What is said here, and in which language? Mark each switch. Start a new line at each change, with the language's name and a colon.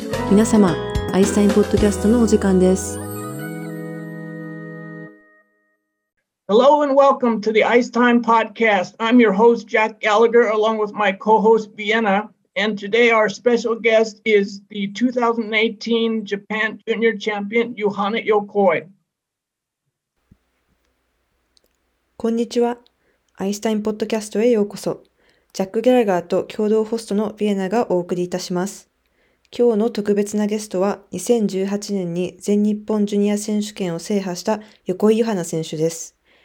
Japanese: 皆様、アイスタインポッドキャストのお時間です。
English: Hello and welcome to the Ice Time Podcast. I'm your host, Jack Gallagher, along with my co-host, Vienna. And today our special guest is the 2018 Japan Junior Champion, Yohana Yokoi.
Japanese: こんにちは。アイスタインポッドキャストへようこそ。ジャック・ギャラガーと共同ホストのビエナがお送りいたします。今日の特別なゲストは、2018年に全日本ジュニア選手権を制覇した横井ゆはな選手です。